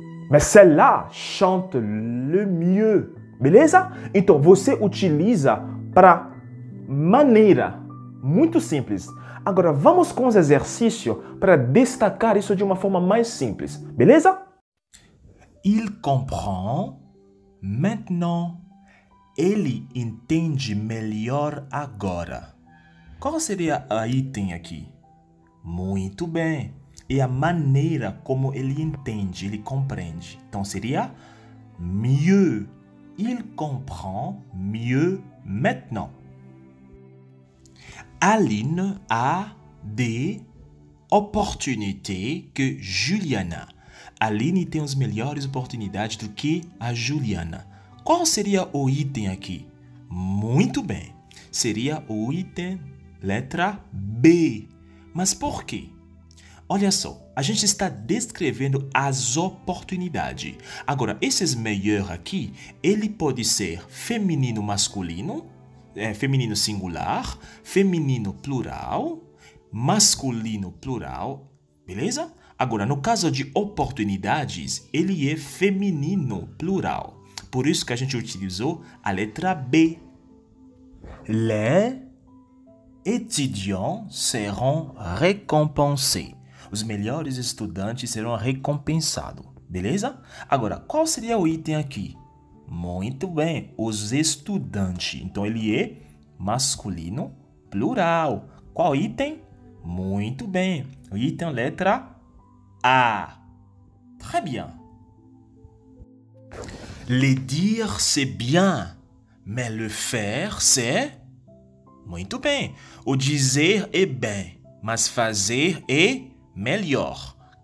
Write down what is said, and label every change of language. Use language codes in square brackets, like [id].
[fr] Mais celle-là chante le mieux. [pt] Beleza? Então, você utiliza para maneira. Muito simples. Agora, vamos com os exercícios para destacar isso de uma forma mais simples. Beleza? [fr] Il comprend maintenant. [pt] Ele entende melhor agora. Qual seria o item aqui? Muito bem. E a maneira como ele entende, ele compreende. Então seria mieux. [fr] Il comprend mieux maintenant. Aline a des opportunités que Juliana. [pt] Aline tem as melhores oportunidades do que a Juliana. Qual seria o item aqui? Muito bem. Seria o item letra B. Mas por quê? Olha só, a gente está descrevendo as oportunidades. Agora, esses meilleurs aqui, ele pode ser feminino masculino feminino singular, feminino plural, masculino plural, beleza? Agora, no caso de oportunidades, ele é feminino plural. Por isso que a gente utilizou a letra B. [fr] Les étudiants seront récompensés. [pt] Os melhores estudantes serão recompensados. Beleza? Agora, qual seria o item aqui? Muito bem, os estudantes. Então, ele é masculino plural. Qual item? Muito bem, o item letra A. [fr] Très bien. Le dire, c'est bien, mais le faire, c'est... [pt] Muito bem. O dizer é bem, mas fazer é melhor.